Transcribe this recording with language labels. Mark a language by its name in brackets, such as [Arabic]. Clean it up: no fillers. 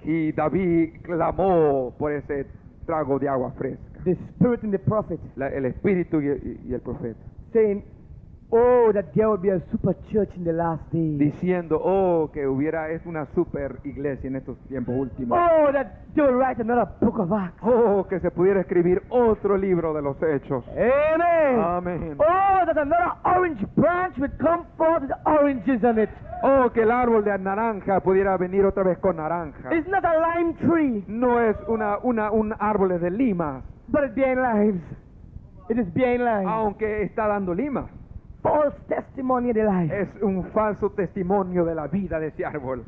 [Spanish] Y David clamó por ese trago de agua fresca. [English] The spirit and the prophet. [Spanish] El espíritu y el profeta. [English] Saying, oh, that there would be a super church in the last days. [Spanish] Diciendo, oh, que hubiera una super iglesia en estos tiempos últimos. [English] Oh, that they would write another book of Acts. [Spanish] Oh, que se pudiera escribir otro libro de los hechos. [English] Amen. [Spanish] Amen. [English] Oh, that another orange branch would come forth with oranges on it. [Spanish] Oh, que el árbol de naranja pudiera venir otra vez con naranja. [English] It's not a lime tree. [Spanish] No es un árbol de lima. [English] But it's bearing limes. It is bearing limes. [Spanish] Aunque está dando lima. [English] False testimony of the life. [Spanish] Es un falso testimonio de la vida de ese árbol.